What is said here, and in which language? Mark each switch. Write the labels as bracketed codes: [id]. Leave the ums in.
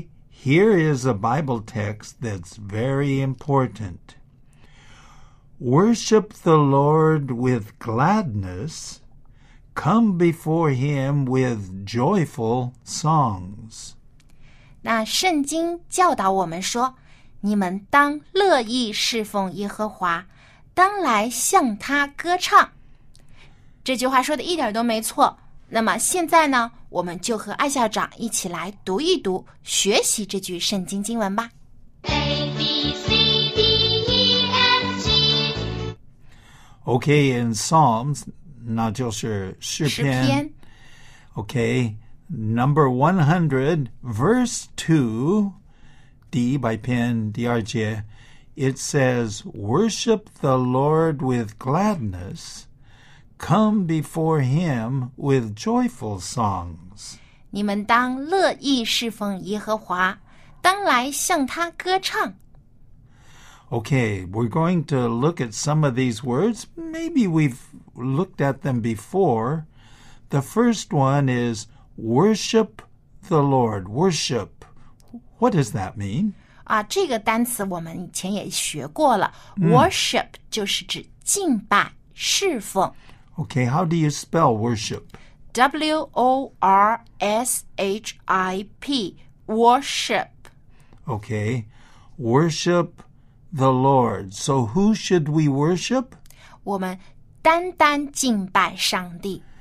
[en] here is a Bible text that's very important. Worship the Lord with gladness come before him with joyful songs. [zh] 那圣经教导我们说，你们当乐意侍奉耶和华，当来向他歌唱。这句话说的一点都没错。那么现在呢，我们就和艾校长一起来读一读、学习这句圣经经文吧。 [en] A B C D E F G。 Okay, in Psalms [zh] 那就是诗篇。 [en] 诗篇 OK, number 100, verse 2, D by pen, DRJ, it says, Worship the Lord with gladness, come before him with joyful songs. [zh] 你们当乐意侍奉耶和华,当来向他歌唱。 [en] Okay, we're going to look at some of these words. Maybe we've looked at them before. The first one is worship the Lord. Worship. What does that mean? Worship [zh] 啊，这个单词我们以前也学过了。 [en] Worship、mm. Mm. Okay, how do you spell worship? W O R S H I P. Worship. Okay, worship the Lord. So who should we worship? [zh] 我们单单敬拜上帝。